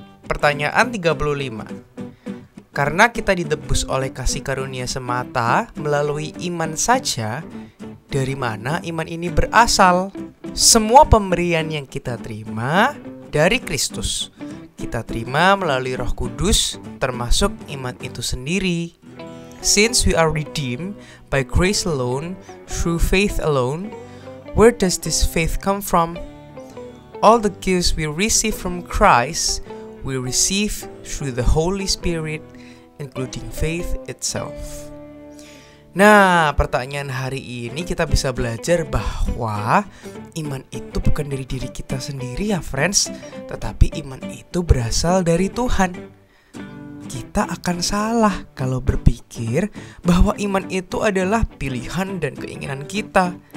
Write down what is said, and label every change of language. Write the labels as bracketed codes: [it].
[id] Pertanyaan 35. Karena kita ditebus oleh kasih karunia semata melalui iman saja, dari mana iman ini berasal? Semua pemberian yang kita terima dari Kristus. Kita terima melalui Roh Kudus, termasuk iman itu sendiri. [en] Since we are redeemed by grace alone, through faith alone, where does this faith come from? All the gifts we receive from Christ, we receive through the Holy Spirit, including faith itself. [id] Nah, pertanyaan hari ini kita bisa belajar bahwa iman itu bukan dari diri kita sendiri ya, friends, tetapi iman itu berasal dari Tuhan. Kita akan salah kalau berpikir bahwa iman itu adalah pilihan dan keinginan kita.